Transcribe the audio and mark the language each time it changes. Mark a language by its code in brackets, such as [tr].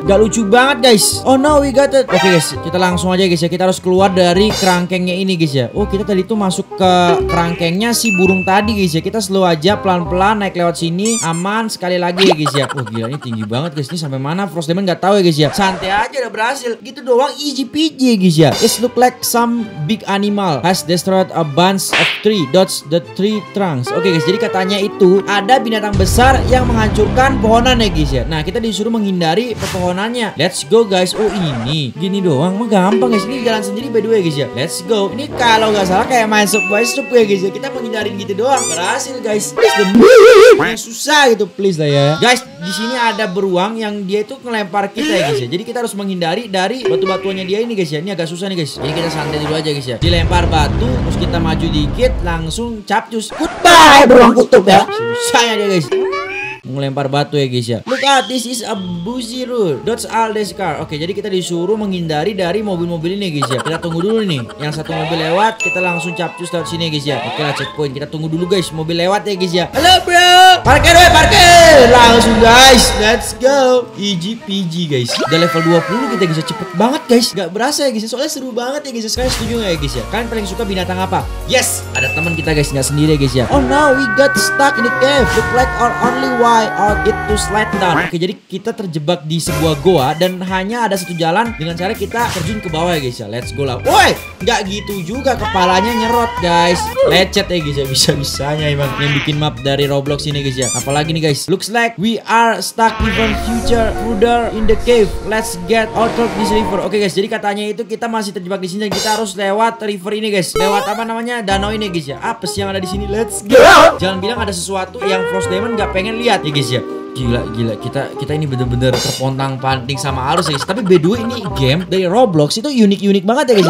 [id] Enggak lucu banget guys. [en] Oh no, we got it. [id] Oke guys, kita langsung aja guys ya. Kita harus keluar dari kerangkengnya ini guys ya. Oh, kita tadi tuh masuk ke kerangkengnya si burung tadi guys ya. Kita slow aja pelan-pelan naik lewat sini. Aman sekali lagi guys ya. Oh gila, ini tinggi banget guys. Ini sampai mana Frost Demon enggak tahu ya guys ya. Santai aja, udah berhasil. Gitu doang [en] easy peasy [id] guys ya. [en] It look like some big animal has destroyed a bunch of tree. Dodge the tree trunks. [id] Oke guys, jadi katanya itu ada binatang besar yang menghancurkan pohonan ya guys ya. Nah, kita disuruh menghindari pepohonannya. [en] Let's go guys. [id] Oh, ini gini doang mah gampang guys. Ini jalan sendiri [en] by the way [id] guys ya. Let's go. Ini kalau nggak salah kayak main Subway Soup ya guys ya. Kita menghindari gitu doang. Berhasil guys. Please, susah gitu please lah ya. Guys, di sini ada beruang yang dia itu ngelempar kita ya guys ya. Jadi kita harus menghindari dari batu-batuannya dia ini guys ya. Ini agak susah nih guys. Jadi kita santai dulu aja guys ya. Dilempar batu, terus kita maju dikit, langsung capcus. Goodbye beruang kutub ya. Susah ya guys. Ngelempar batu ya guys ya. [en] Look out, this is a busy road. Dodge all this car. [id] Oke, jadi kita disuruh menghindari dari mobil-mobil ini guys ya. Kita tunggu dulu nih. Yang satu mobil lewat, kita langsung capcus dari sini guys ya. Oke lah, checkpoint. Kita tunggu dulu guys, mobil lewat ya guys ya. Halo bro, parkir weh, parkir. Langsung guys, [en] let's go. Easy peasy [id] guys. Udah level 20 kita guys ya. Cepet banget guys. Gak berasa ya guys ya. Soalnya seru banget ya guys ya. Kalian setuju gak ya guys ya? Kalian paling suka binatang apa? Yes, ada teman kita guys. Gak sendiri ya guys ya. [en] Oh no, we got stuck in the cave. Look like our only one out it to slide down. [id] Oke, jadi kita terjebak di sebuah goa dan hanya ada satu jalan dengan cara kita terjun ke bawah ya guys ya. [en] Let's go [id] lah. Woi, nggak gitu juga, kepalanya nyerot guys. Lecet ya guys ya, bisa-bisanya emang yang bikin map dari Roblox ini guys ya. Apalagi nih [en] guys, looks like we are stuck even future further in the cave. Let's get out of this river. [id] Oke guys, jadi katanya itu kita masih terjebak di sini dan kita harus lewat river ini guys. Lewat apa namanya, danau ini guys ya. Apa sih yang ada di sini? [en] Let's go. [id] Jangan bilang ada sesuatu yang Frost Demon nggak pengen lihat ya guys ya. Gila-gila, kita ini bener-bener terpontang-panting sama arus ya guys. Tapi [en] by the way, [id] ini game dari Roblox itu unik-unik banget ya guys.